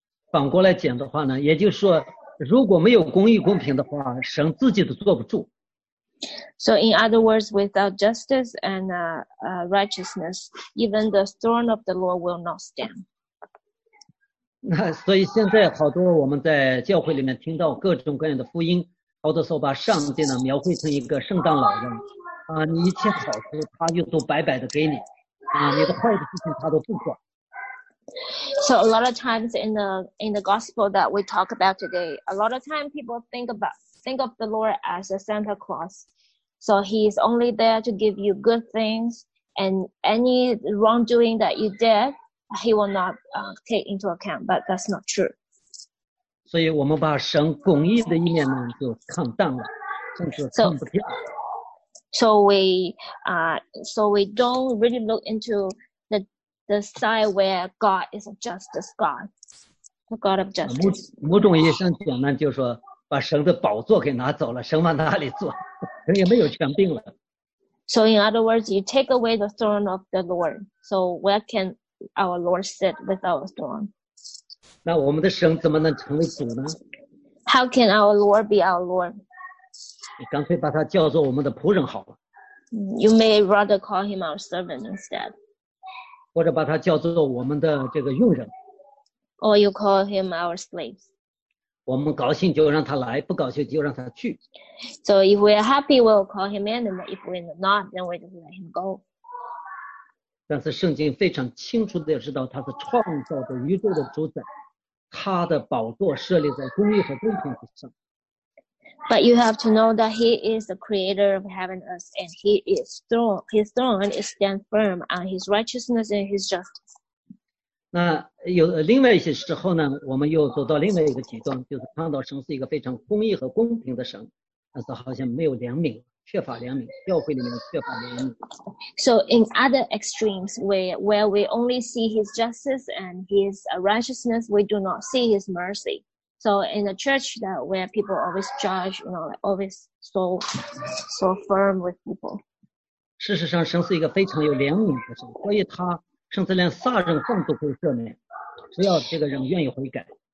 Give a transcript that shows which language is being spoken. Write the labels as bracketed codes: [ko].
[zh] 反过来讲的话呢，也就是说，如果没有公义公平的话，神自己都坐不住。 [en] So in other words, without justice and righteousness, even the throne of the Lord will not stand. [zh] 那所以现在好多我们在教会里面听到各种各样的福音，好多时候把上帝呢描绘成一个圣诞老人，啊，你一切好处他就都白白的给你，啊，你的坏的事情他都不管。 [en] So a lot of times in the gospel that we talk about today, a lot of time people think of the Lord as a Santa Claus. So he is only there to give you good things, and any wrongdoing that you did, he will not take into account. But that's not true. [zh] 所以我们把神公义的一面呢就看淡了，甚至看不见。 [en] So we don't really look into the side where God is a justice God, the God of justice. [zh] 某种意义上讲呢，就是说把神的宝座给拿走了，神往哪里坐？神也没有权柄了。 [en] So in other words, you take away the throne of the Lord. So where can our Lord sit without a throne? [zh] 那我们的神怎么能成为主呢？ [en] How can our Lord be our Lord? [zh] 你干脆把他叫做我们的仆人好了。 [en] You may rather call him our servant instead. [zh] 或者把他叫做我们的这个佣人。 [en] Or you call him our slaves. [zh] 我们高兴就让他来，不高兴就让他去。 [en] So if we are happy, we'll call him in, and if we're not, then we just let him go. [zh] 但是圣经非常清楚地知道，他是创造的宇宙的主宰，他的宝座设立在公义和公平之上。 [en] But you have to know that he is the creator of heaven and earth, and he is strong. His throne is stand firm on his righteousness and his justice. [zh] 那有另外一些时候呢，我们又走到另外一个极端，就是看到神是一个非常公义和公平的神，但是好像没有怜悯，缺乏怜悯，教会里面缺乏怜悯。 [en] So in other extremes, where we only see his justice and his righteousness, we do not see his mercy. So in a church that where people always judge, you know, like always so firm with people. [zh] 事实上，神是一个非常有怜悯的神，所以他。甚至连杀人犯都会赦免，只要这个人愿意悔改。